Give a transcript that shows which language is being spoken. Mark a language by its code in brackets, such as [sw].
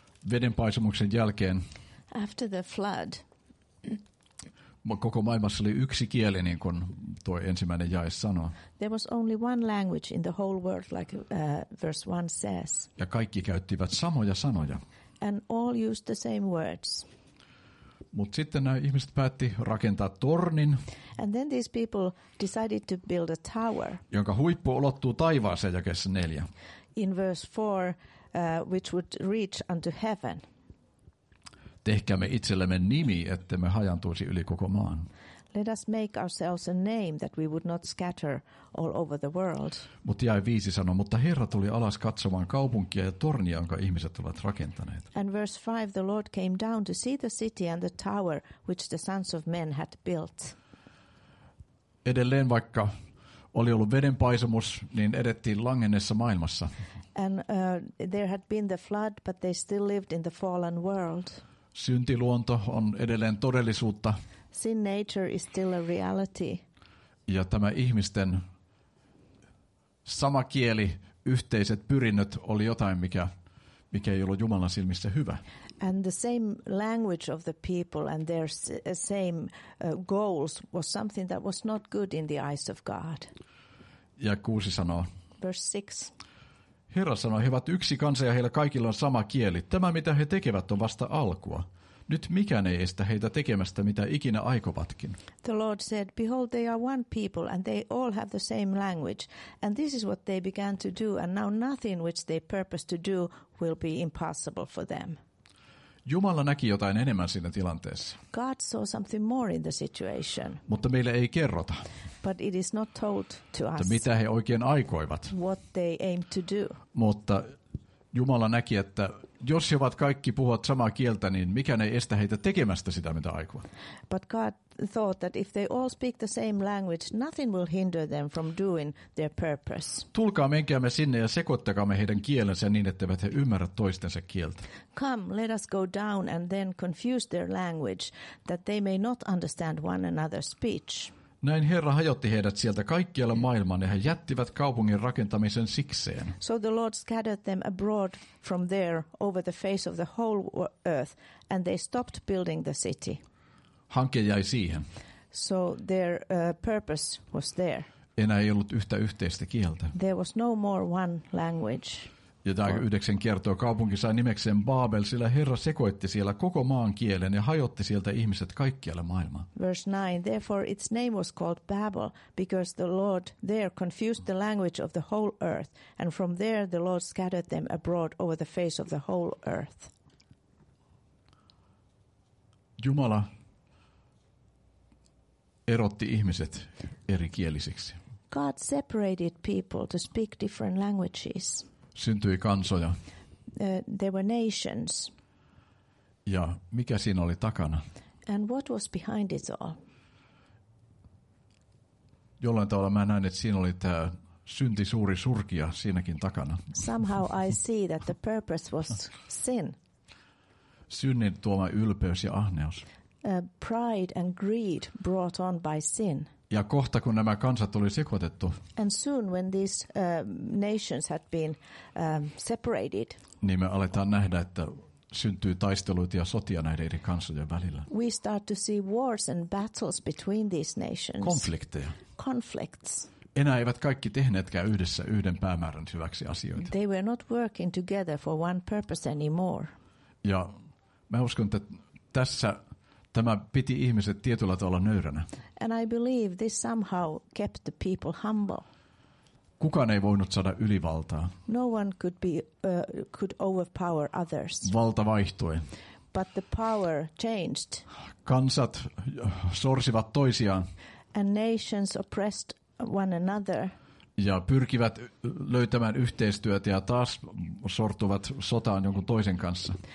[fi] Vedenpaisumuksen jälkeen. [en] After the flood. [fi] Koko maailmassa oli yksi kieli, niin kuin tuo ensimmäinen jae sanoo. [en] There was only one language in the whole world, like verse 1 says. [fi] Ja kaikki käyttivät samoja sanoja. [en] And all used the same words. [fi] Mutta sitten nämä ihmiset päätti rakentaa tornin. [en] And then these people decided to build a tower. [fi] Jonka huippu ulottuu taivaaseen, jakeessa 4. [en] In verse 4, which would reach unto heaven. [fi] Tehkäämme itsellemme nimi, että me hajantuisi yli koko maan. [en] Let us make ourselves a name that we would not scatter all over the world. [fi] Mutta jäi 5 sanoi, mutta Herra tuli alas katsomaan kaupunkia ja tornia, jonka ihmiset ovat rakentaneet. [en] And verse 5, the Lord came down to see the city and the tower which the sons of men had built. [fi] Edelleen vaikka oli ollut vedenpaisumus, niin edettiin langenneessa maailmassa. [en] And there had been the flood, but they still lived in the fallen world. [fi] Syntiluonto on edelleen todellisuutta. [en] Sin nature is still a reality. [fi] Ja tämä ihmisten sama kieli, yhteiset pyrinnöt oli jotain, mikä ei ollut Jumalan silmissä hyvä. [en] And the same language of the people and their same goals was something that was not good in the eyes of God. [fi] Ja 6 sanoo. [en] Verse 6. [fi] Herra sanoi, he ovat yksi kansa ja heillä kaikilla on sama kieli. Tämä, mitä he tekevät, on vasta alkua. Nyt mikään ei estä heitä tekemästä, mitä ikinä aikovatkin. [en] The Lord said, behold, they are one people and they all have the same language. And this is what they began to do and now nothing which they purpose to do will be impossible for them. [fi] Jumala näki jotain enemmän siinä tilanteessa. [en] God saw something more in the situation. [fi] Mutta meille ei kerrota. [en] But it is not told to us. [fi] Mitä he oikein aikoivat? [en] What they aim to do. [fi] Mutta Jumala näki, että jos he ovat kaikki puhuvat samaa kieltä, niin mikään ei estä heitä tekemästä sitä, mitä aikovat. [en] But God thought that if they all speak the same language, nothing will hinder them from doing their purpose. [fi] Tulkaa, menkäämme sinne ja sekoittakaamme heidän kielensä niin, etteivät he ymmärrä toistensa kieltä. [en] Come, let us go down and then confuse their language, that they may not understand one another's speech. [fi] Näin Herra hajotti heidät sieltä kaikkialle maailmaan ja he jättivät kaupungin rakentamisen sikseen. [en] So the Lord scattered them abroad from there over the face of the whole earth and they stopped building the city. [fi] Hanke jäi siihen. [en] So their purpose was there. [fi] Enää ei ollut yhtä yhteistä kieltä. [en] There was no more one language. [fi] Ja tämä 9 kertoo, kaupunki sai nimekseen Baabel, sillä Herra sekoitti siellä koko maan kielen ja hajotti sieltä ihmiset kaikkialle maailmaan. [en] Verse 9, therefore its name was called Babel, because the Lord there confused the language of the whole earth, and from there the Lord scattered them abroad over the face of the whole earth. [fi] Jumala erotti ihmiset eri kielisiksi. [en] God separated people to speak different languages. [fi] Syntyi kansoja. [en] There were nations. [fi] Ja mikä siinä oli takana? [en] And what was behind it all? [fi] Jollain tavalla mä näin, että siinä oli tämä synti suuri surkia siinäkin takana. [en] Somehow I see that the purpose was sin. [fi] Synnin tuoma ylpeys ja ahneus. [en] Pride and greed brought on by sin. [fi] Ja kohta kun nämä kansat oli sekoitettu. [en] And soon when these nations had been separated. [fi] Niin me aletaan nähdä, että syntyy taisteluita ja sotia näiden eri kansojen välillä. [en] We start to see wars and battles between these nations. [fi] Konflikteja. [en] Conflicts. [fi] Enää eivät kaikki tehneetkään yhdessä yhden päämäärän hyväksi asioita. [en] They were not working together for one purpose anymore. [fi] Ja mä uskon, että tässä tämä piti ihmiset tietyllä tavalla nöyränä. [en] And I believe this somehow kept the people humble. [fi] Kukaan ei voinut saada ylivaltaa. [en] No one could be could overpower others. [fi] Valta vaihtui. [en] But the power changed. [fi] Kansat sorsivat toisiaan. [en] And nations oppressed one another. [fi] Ja pyrkivät löytämään yhteistyötä ja taas sortuvat sotaan jonkun toisen kanssa.